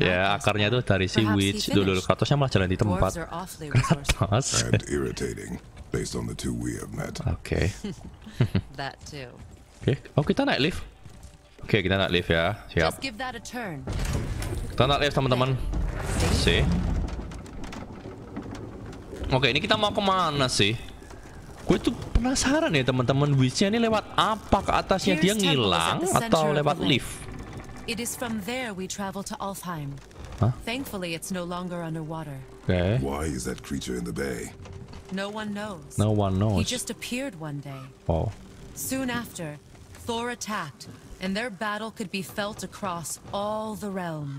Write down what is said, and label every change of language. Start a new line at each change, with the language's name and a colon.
Indonesian: Ya, akarnya itu dari si witch dulu. Kratosnya malah jalan di tempat Kratos.
English: Irritating based on the two we have met.
Indonesian: Oke.
English: That too.
Indonesian: Oke, oh kita naik lift. Oke, kita naik lift ya. Siap. Kita naik lift teman-teman. Sih. Oke, ini kita mau kemana sih? Gue tuh penasaran ya teman-teman, witch-nya ini lewat apa ke atasnya, dia ngilang atau lewat lift?
English: It is from there we travel to Alfheim. Hah? Thankfully it's no longer underwater. Okay. Why is that creature in the bay? No one knows. No one knows. He just appeared one day. Oh. Soon after, Thor attacked and their battle could be felt across all the realms.